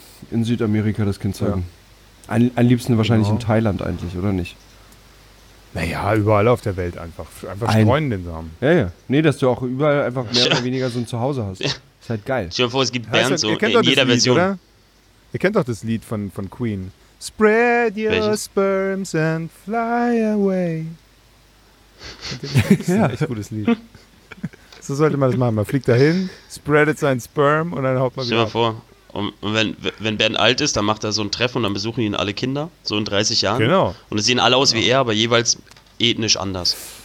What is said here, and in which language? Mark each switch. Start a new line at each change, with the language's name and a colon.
German: In Südamerika das Kind zeugen. Ja. Am liebsten wahrscheinlich in Thailand eigentlich, oder nicht? Naja, überall auf der Welt einfach. Einfach streuen den Samen. Ja, ja. Nee, dass du auch überall einfach mehr oder weniger so ein Zuhause hast. Ist halt geil. Stell dir vor, es gibt Bären so in jeder Lied, Version. Oder? Ihr kennt doch das Lied von Queen.
English: Spread your sperms and fly away.
German: Das ist ein echt gutes Lied. So sollte man das machen. Man fliegt dahin, spreadet sein Sperm und dann haut man wieder. Stell dir vor. Und wenn Bernd alt ist, dann macht er so ein Treffen und dann besuchen ihn alle Kinder, so in 30 Jahren. Genau. Und es sehen alle aus wie er, aber jeweils ethnisch anders.